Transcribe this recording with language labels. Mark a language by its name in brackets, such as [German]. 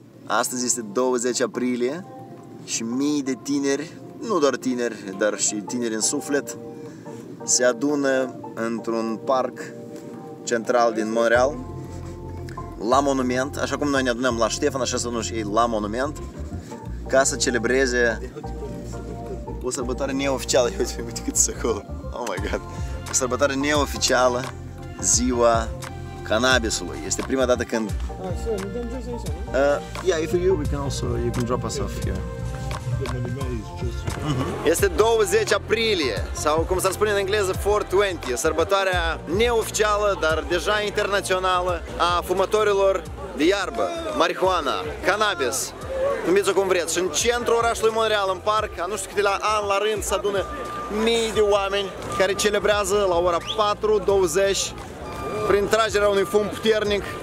[Romanian] Astăzi este 20 aprilie și mii de tineri, nu doar tineri, dar și tineri în suflet, se adună într-un parc central din Montreal, la monument, așa cum noi ne adunăm la Ștefan, așa să nu știi, la monument, ca să celebreze o sărbătoare neoficială. Uite, uite cât sunt acolo. [English] Oh my God. [Romanian] O sărbătoare neoficială, ziua cannabisului. Este prima dată când... [English] Yeah, if you, we can also, you can drop us off here. [Romanian] Este 20 aprilie, sau cum s-ar spune în engleză 420, sărbătoarea neoficială, dar deja internațională, a fumătorilor de iarbă, marihuana, cannabis, numiți-o cum vreți. Și în centrul orașului Montreal, în parc, a nu știu câte ani la rând, se adună mii de oameni care celebrează la ora 4:20 prin tragerea unui fum puternic.